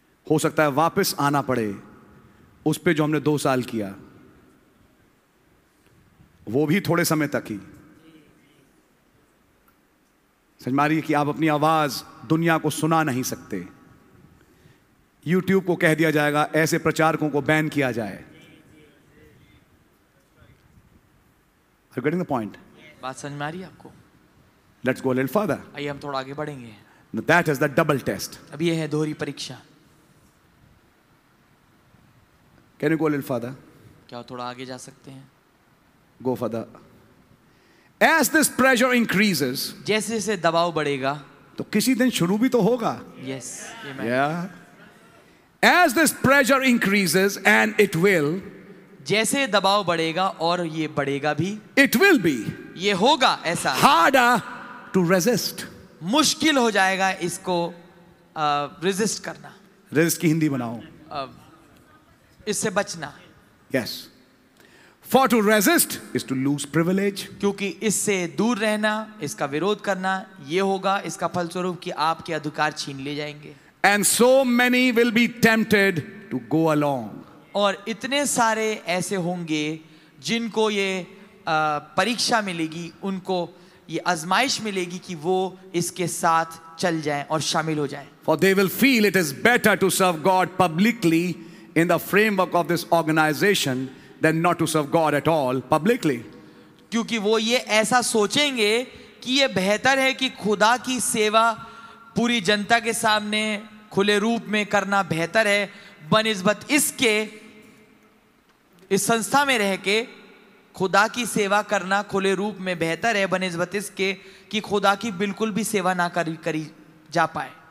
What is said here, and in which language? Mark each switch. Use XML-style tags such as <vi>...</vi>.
<hi>हो सकता है वापस आना पड़े उस पे जो हमने 2 साल किया, वो भी थोड़े समय तक ही. समझ मारी कि आप अपनी आवाज दुनिया को सुना नहीं सकते. YouTube को कह दिया जाएगा ऐसे प्रचारकों को बैन किया जाए.</hi> <en>Are you getting the point?</en> <hi>बात समझ में आ रही है आपको?</hi> <en>Let's go a little further.</en> <hi>आइए हम थोड़ा आगे बढ़ेंगे.</hi> <en>Now that is the double test.</en> <hi>अब ये है दोहरी परीक्षा.</hi> <en>Can you go a little further?</en> <hi>क्या थोड़ा आगे जा सकते हैं?</hi> <en>Go further. As this pressure increases,</en> <hi>जैसे जैसे दबाव बढ़ेगा तो किसी दिन शुरू भी तो होगा.</hi> <en>Yes. Amen. Yeah. As this pressure increases, and it will,</en> <hi>जैसे दबाव बढ़ेगा और ये बढ़ेगा भी,</hi> <en>it will be,</en> <hi>ये होगा ऐसा,</hi> <en>harder to resist,</en> <hi>मुश्किल हो जाएगा इसको resist करना. Resist की हिंदी बनाओ. इससे बचना.</hi> <en>Yes. For to resist is to lose privilege.</en> <hi>क्योंकि इससे दूर रहना, इसका विरोध करना, ये होगा इसका फलस्वरूप कि आपके अधिकार छीन ले जाएंगे.</hi> <en>And so many will be tempted to go along.</en> <hi>और इतने सारे ऐसे होंगे जिनको ये परीक्षा मिलेगी, उनको ये आजमाइश मिलेगी कि वो इसके साथ चल जाएं और शामिल हो जाएं.</hi> <en>For they will feel it is better to serve God publicly in the framework of this organization than not to serve God at all publicly.</en> <hi>क्योंकि वो ये ऐसा सोचेंगे कि ये बेहतर है कि खुदा की सेवा पूरी जनता के सामने खुले रूप में करना बेहतर है बनिस्बत इसके इस संस्था में रह के खुदा की सेवा करना खुले रूप में बेहतर है बनिस्बत इसके कि खुदा की बिल्कुल भी सेवा ना करी जा पाए.</hi>